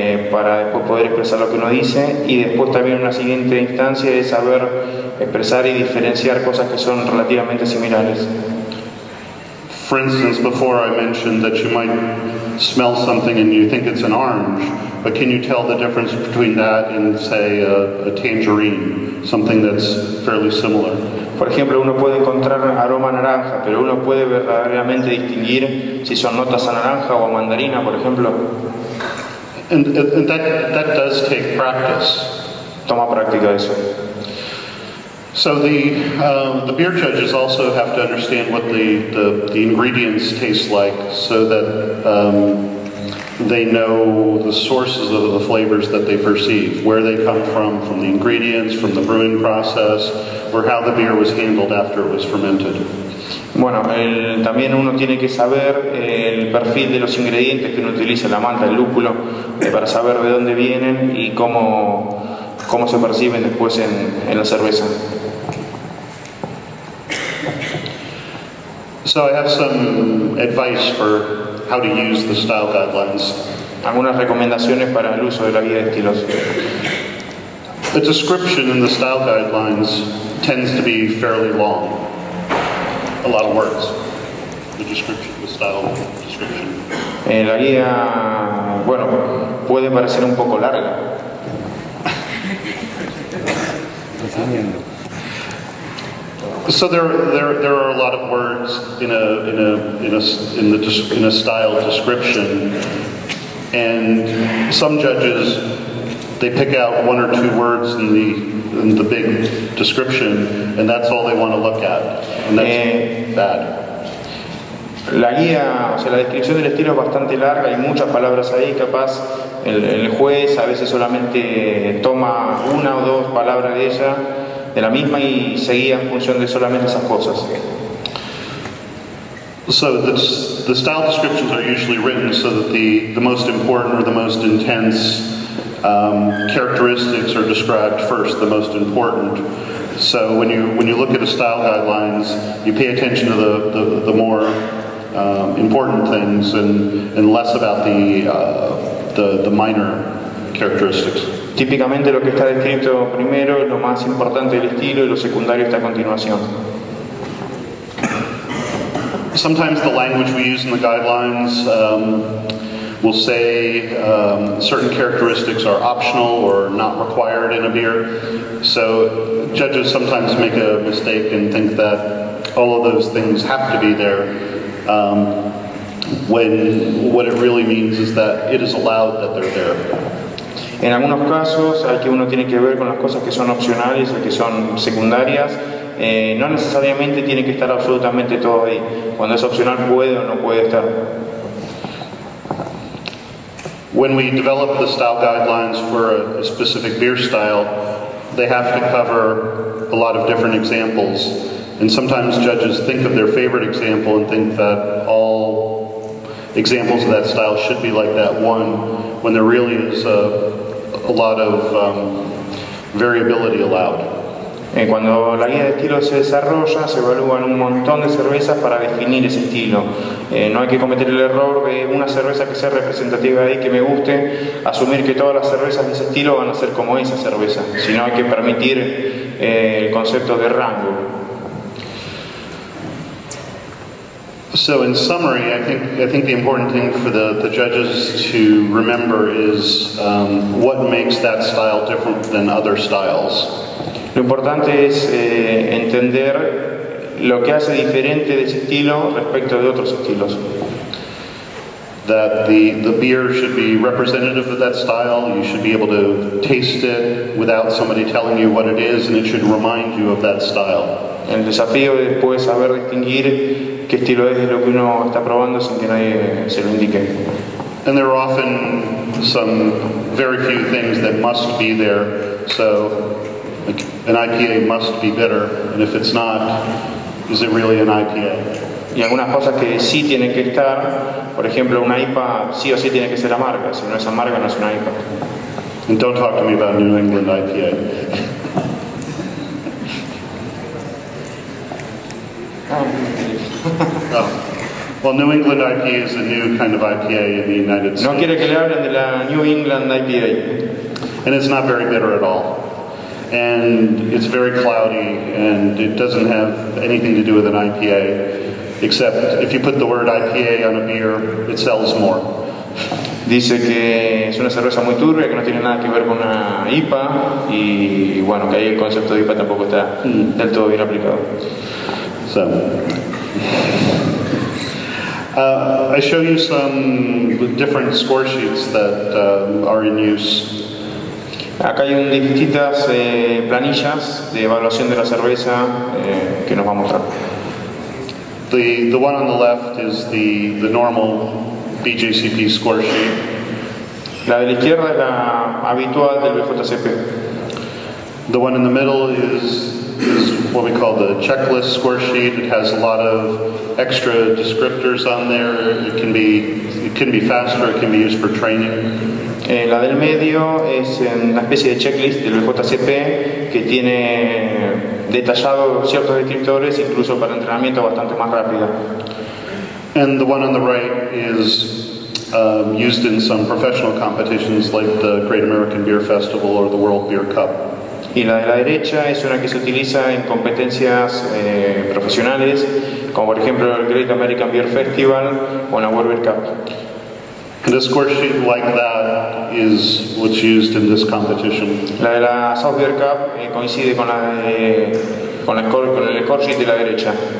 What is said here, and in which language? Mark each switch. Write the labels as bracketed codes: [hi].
[es] Para después poder expresar lo que uno dice y después también una siguiente instancia es saber expresar y diferenciar cosas que son relativamente similares. [en] For instance, before I mentioned that you might smell something and you think it's an orange, but can you tell the difference between that and say a tangerine, something that's fairly similar? [es] Por ejemplo, uno puede encontrar aroma a naranja, pero uno puede verdaderamente distinguir si son notas a naranja o a mandarina, por ejemplo. [en] And that does take practice. [es] Toma práctica eso. [en] So the beer judges also have to understand what the ingredients taste like, so that they know the sources of the flavors that they perceive, where they come from the ingredients, from the brewing process, or how the beer was handled after it was fermented. [es] Bueno, también uno tiene que saber el perfil de los ingredientes que uno utiliza, la malta, el lúpulo, para saber de dónde vienen y cómo se perciben después en la cerveza. [en] So I have some advice for how to use the style guidelines. [es] Algunas recomendaciones para el uso de la guía de estilos. [en] The description in the style guidelines tends to be fairly long. A lot of words. the description, the style description. [es] La guía, bueno, puede parecer un poco larga. [en] So there are a lot of words in a style description, and some judges, they pick out one or two words in the big description, and that's all they want to look at, and that's bad. [es] La guía, o sea, la descripción del estilo es bastante larga, hay muchas palabras ahí, capaz el juez a veces solamente toma una o dos palabras de ella, de la misma, y seguía en función de solamente esas cosas. [en] So the style descriptions are usually written so that the most important or the most intense characteristics are described first, the most important. So when you look at a style guidelines, you pay attention to the more important things and less about the minor characteristics. [es] Típicamente lo que está descrito primero es lo más importante del estilo y lo secundario está a continuación. [en] Sometimes the language we use in the guidelines will say certain characteristics are optional or not required in a beer. So judges sometimes make a mistake and think that all of those things have to be there. When what it really means is that it is allowed that they're there. [es] En algunos casos, hay que uno tiene que ver con las cosas que son opcionales o que son secundarias. No necesariamente tiene que estar absolutamente todo ahí. Cuando es opcional, puede o no puede estar. [en] When we develop the style guidelines for a specific beer style, they have to cover a lot of different examples. And sometimes judges think of their favorite example and think that all examples of that style should be like that one, when there really is a lot of variability allowed. [es] Y cuando la guía de estilo se desarrolla, se evalúan un montón de cervezas para definir ese estilo. No hay que cometer el error de una cerveza que sea representativa ahí, que me guste, asumir que todas las cervezas de ese estilo van a ser como esa cerveza, sino hay que permitir el concepto de rango. [en] So in summary, I think the important thing for the judges to remember is what makes that style different than other styles. [es] Lo importante es entender lo que hace diferente de ese estilo respecto de otros estilos. [en] That the beer should be representative of that style, you should be able to taste it without somebody telling you what it is, and it should remind you of that style. [es] El desafío es poder saber distinguir qué estilo es de lo que uno está probando sin que nadie se lo indique. [en] And there are often some very few things that must be there, so an IPA must be bitter, and if it's not, is it really an IPA? [es] Y algunas cosas que sí tienen que estar, por ejemplo, una IPA sí o sí tiene que ser amarga, si no es amarga no es una IPA. [en] And don't talk to me about New England IPA. Oh. Well, New England IPA is a new kind of IPA in the United States. [es] No quiere que le hablen de la New England IPA. [en] And it's not very bitter at all. And it's very cloudy, and it doesn't have anything to do with an IPA. Except if you put the word IPA on a beer, it sells more. [es] Dice que es una cerveza muy turbia, que no tiene nada que ver con una IPA, y bueno, que ahí el concepto de IPA tampoco está del todo bien aplicado. [en] So, I show you some different score sheets that are in use. [es] Acá hay distintas planillas de evaluación de la cerveza que nos va a mostrar. [en] The one on the left is the normal BJCP score sheet. [es] La de la izquierda es la habitual del BJCP. [en] The one in the middle is what we call the checklist score sheet. It has a lot of extra descriptors on there. It can be faster. It can be used for training. [es] La del medio es una especie de checklist del BJCP que tiene detallado ciertos descriptores, incluso para entrenamiento bastante más rápido. [en] And the one on the right is used in some professional competitions like the Great American Beer Festival or the World Beer Cup. [es] y la de la derecha es una que se utiliza en competencias profesionales, como por ejemplo el Great American Beer Festival o la World Beer Cup. [en] And a score sheet like that is what's used in this competition. [es] La de la South Beer Cup coincide con la con el score sheet de la derecha.